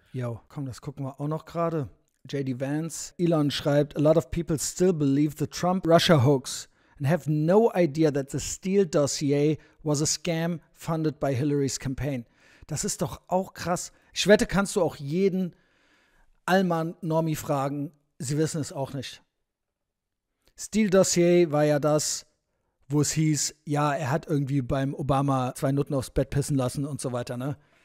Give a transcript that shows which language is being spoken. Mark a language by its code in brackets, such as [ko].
[de] Yo, komm, das gucken wir auch noch gerade. J.D. [en] Vance, [de] Elon schreibt, [en] a lot of people still believe the Trump-Russia hoax and have no idea that the Steele dossier was a scam funded by Hillary's campaign. [de] Das ist doch auch krass. Ich wette, kannst du auch jeden Allmann-Normie fragen. Sie wissen es auch nicht. Steele dossier war ja das, wo es hieß, ja, er hat irgendwie beim Obama 2 Nutten aufs Bett pissen lassen und so weiter, ne?